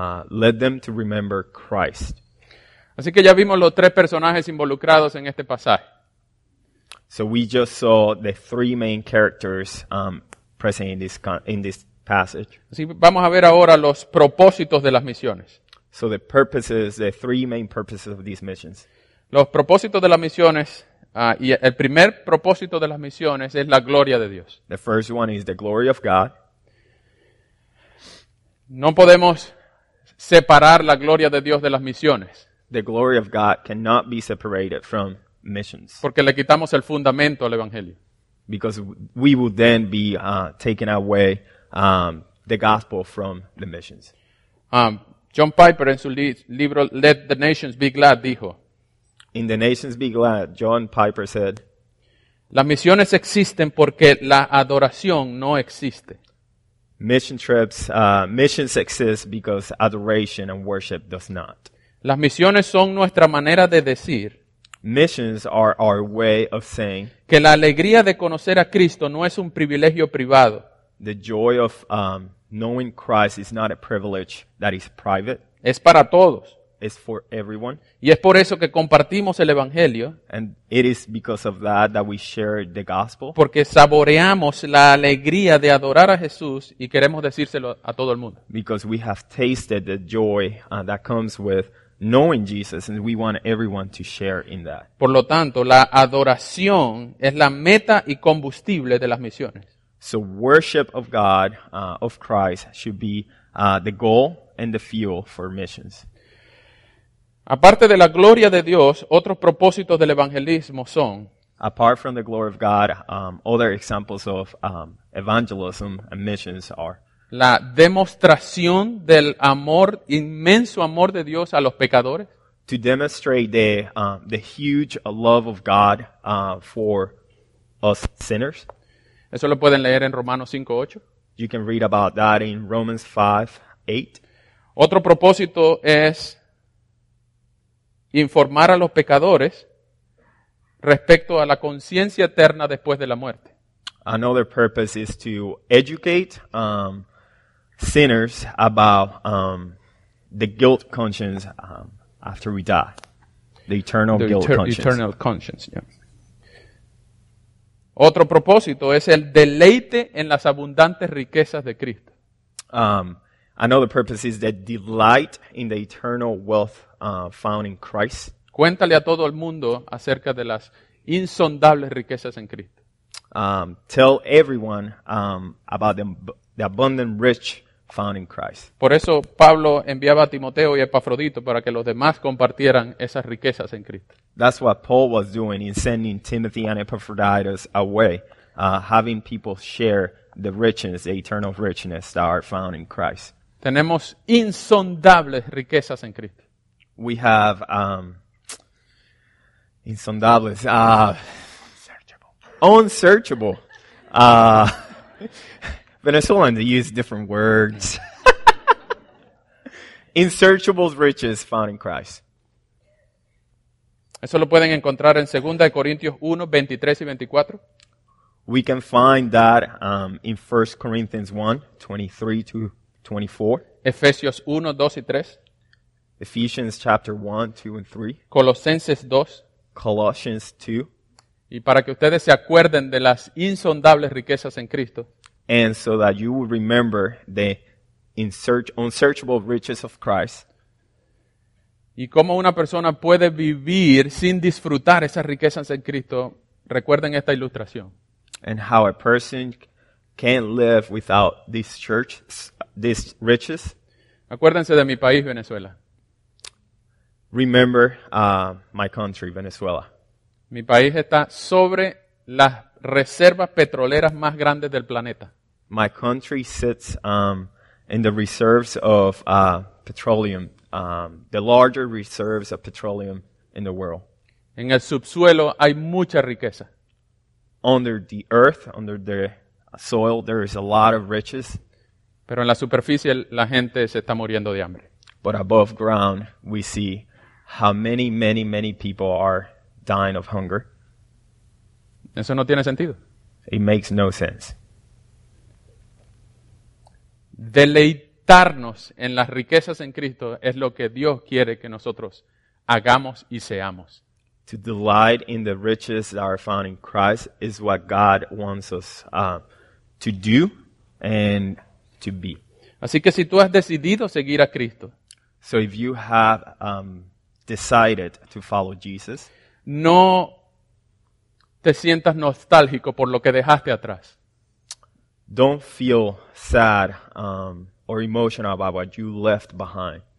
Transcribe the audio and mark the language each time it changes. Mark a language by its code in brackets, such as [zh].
[en] Let them to remember Christ. [es] Así que ya vimos los tres personajes involucrados en este pasaje. [en] So we just saw the three main characters present in this passage. [es] Así, vamos a ver ahora los propósitos de las misiones. [en] So the purposes, the three main purposes of these missions. [es] Los propósitos de las misiones, y el primer propósito de las misiones es la gloria de Dios. [en] The first one is the glory of God. [es] No podemos separar la gloria de Dios de las misiones. [en] The glory of God cannot be separated from missions. [es] Porque le quitamos el fundamento al evangelio. [en] Because we will then be taking away the gospel from the missions. [es] John Piper en su libro Let the Nations Be Glad dijo. [en] In the Nations Be Glad, John Piper said. [es] Las misiones existen porque la adoración no existe. [en] Mission trips, missions exist because adoration and worship does not. [es] Las misiones son nuestra manera de decir. [en] Missions are our way of saying [es] que la alegría de conocer a Cristo no es un privilegio privado. [en] The joy of knowing Christ is not a privilege that is private. [es] Es para todos. [en] It's for everyone. [es] Y es por eso que compartimos el evangelio. [en] And it is because of that that we share the gospel. [es] Porque saboreamos la alegría de adorar a Jesús y queremos decírselo a todo el mundo. [en] Because we have tasted the joy that comes with knowing Jesus, and we want everyone to share in that. [es] Por lo tanto, la adoración es la meta y combustible de las misiones. [en] So worship of God, of Christ, should be the goal and the fuel for missions. [es] Aparte de la gloria de Dios, otros propósitos del evangelismo son. [en] Apart from the glory of God, other examples of evangelism and missions are. [es] La demostración del amor, inmenso amor de Dios a los pecadores. [en] To demonstrate the huge love of God for us sinners. [es] Eso lo pueden leer en Romanos 5:8. [en] You can read about that in Romans 5:8. [es] Otro propósito es informar a los pecadores respecto a la conciencia eterna después de la muerte. [en] Another purpose is to educate sinners about the guilt conscience after we die. The eternal conscience. Yeah. [es] Otro propósito es el deleite en las abundantes riquezas de Cristo. [en] Another purpose is the delight in the eternal wealth found in Christ. [es] Cuéntale a todo el mundo acerca de las insondables riquezas en Cristo. [en] Tell everyone about the abundant rich found in Christ. [es] Por eso Pablo enviaba a Timoteo y a Epafrodito para que los demás compartieran esas riquezas en Cristo. [en] That's what Paul was doing in sending Timothy and Epaphroditus away, having people share the richness, the eternal richness that are found in Christ. [es] Tenemos insondables riquezas en Cristo. [en] We have insondables, unsearchable. Venezuelans use different words. Insearchable riches found in Christ. [es] Eso lo pueden encontrar en 2 Corintios 1, 23 y 24. [en] We can find that in 1 Corinthians 1, 23 to 24. [es] Efesios 1, 2 y 3. [en] Ephesians chapter 1, 2 and 3. [es] Colosenses 2. [en] Colossians 2. [es] Y para que ustedes se acuerden de las insondables riquezas en Cristo. [en] And so that you will remember the unsearchable riches of Christ. [es] Y cómo una persona puede vivir sin disfrutar esas riquezas en Cristo. Recuerden esta ilustración. [en] And how a person can live without these churches, these riches. [es] Acuérdense de mi país, Venezuela. [en] Remember my country, Venezuela. [es] Mi país está sobre las reservas petroleras más grandes del planeta. [en] My country sits in the reserves of petroleum, the larger reserves of petroleum in the world. [es] En el subsuelo hay mucha riqueza. [en] Under the earth, under the soil, there is a lot of riches. [es] Pero en la superficie la gente se está muriendo de hambre. [en] But above ground, we see how many, many, many people are dying of hunger. [es] Eso no tiene sentido. [en] It makes no sense. [es] Deleitarnos en las riquezas en Cristo es lo que Dios quiere que nosotros hagamos y seamos. [en] To delight in the riches that are found in Christ is what God wants us to do and to be. [es] Así que si tú has decidido seguir a Cristo, [en] so if you have decided to follow Jesus, [es] no te sientas nostálgico por lo que dejaste atrás. [en] Don't feel sad or emotional about what you left behind.